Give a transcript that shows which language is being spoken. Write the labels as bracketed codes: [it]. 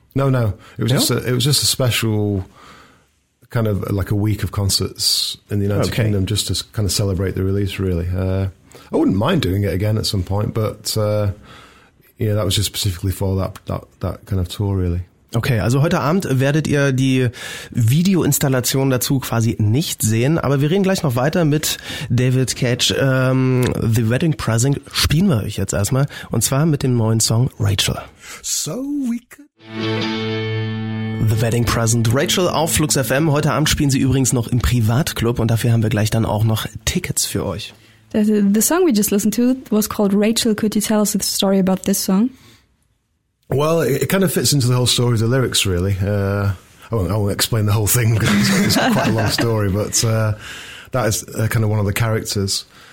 [en] No. It was just a special kind of like a week of concerts in the United Kingdom just to kind of celebrate the release, really. I wouldn't mind doing it again at some point, but yeah, that was just specifically for that kind of tour, really. [de] Okay, also heute Abend werdet ihr die Videoinstallation dazu quasi nicht sehen, aber wir reden gleich noch weiter mit David Cage. The Wedding Present spielen wir euch jetzt erstmal, und zwar mit dem neuen Song Rachel. [en] So we could... [de] The Wedding Present, Rachel auf Flux FM. Heute Abend spielen sie übrigens noch im Privatclub, und dafür haben wir gleich dann auch noch Tickets für euch. [en] The song we just listened to was called Rachel. Could you tell us the story about this song? Well, it kind of fits into the whole story of the lyrics, really. I won't explain the whole thing because it's quite a long story, but that is kind of one of the characters.